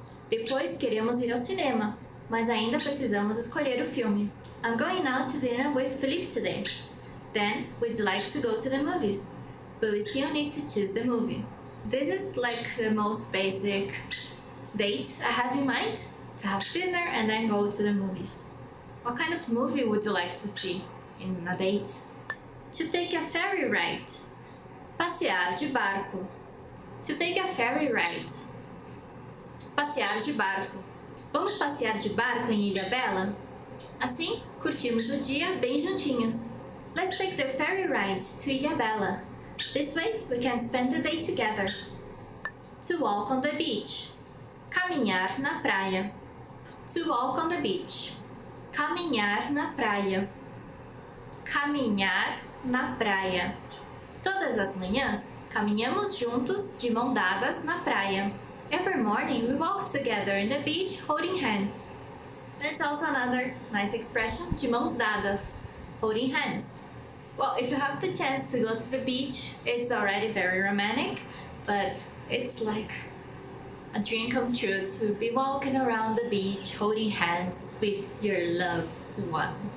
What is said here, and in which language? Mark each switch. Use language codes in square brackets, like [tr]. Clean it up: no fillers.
[pt] Depois queremos ir ao cinema, mas ainda precisamos escolher o filme. [en] I'm going out to dinner with Felipe today. Then, we'd like to go to the movies. but we still need to choose the movie. This is like the most basic date I have in mind, to have dinner and then go to the movies. What kind of movie would you like to see in a date? To take a ferry ride. Passear de barco. To take a ferry ride. Passear de barco. [pt] Vamos passear de barco em Ilha Bela? Assim, curtimos o dia bem juntinhos. [en] Let's take the ferry ride to Ilha Bela. This way, we can spend the day together. To walk on the beach. Caminhar na praia. To walk on the beach. Caminhar na praia. [pt] Caminhar na praia. Todas as manhãs, caminhamos juntos de mãos dadas na praia. [en] Every morning, we walk together in the beach holding hands. That's also another nice expression, de mãos dadas, holding hands. Well, if you have the chance to go to the beach, it's already very romantic, but it's like a dream come true to be walking around the beach holding hands with your loved one.